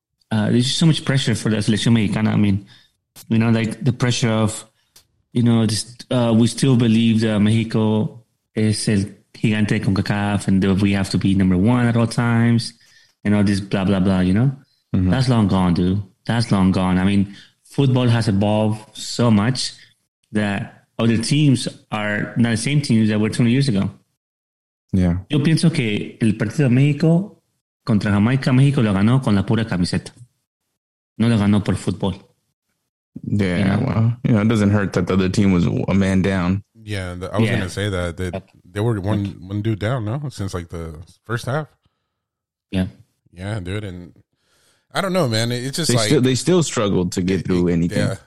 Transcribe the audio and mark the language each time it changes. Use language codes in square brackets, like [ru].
[en] There's just so much pressure for the Selección Mexicana. I mean, you know, like the pressure of, you know, we still believe that Mexico is [es] el gigante con [en] CONCACAF and that we have to be number one at all times and all this blah, blah, blah, you know? Mm-hmm. That's long gone, dude. That's long gone. I mean, football has evolved so much that other teams are not the same teams that were 20 years ago. Yeah. [es] Yo pienso que el partido de México contra Jamaica, México lo ganó con la pura camiseta. No lo ganó por fútbol. [en] Yeah, you know? Well, you know, it doesn't hurt that the other team was a man down. Yeah, I was going to say that. They were one dude down, no? Since, like, the first half. Yeah. Yeah, dude, and I don't know, man. It's just, they like... They still struggled to get through anything.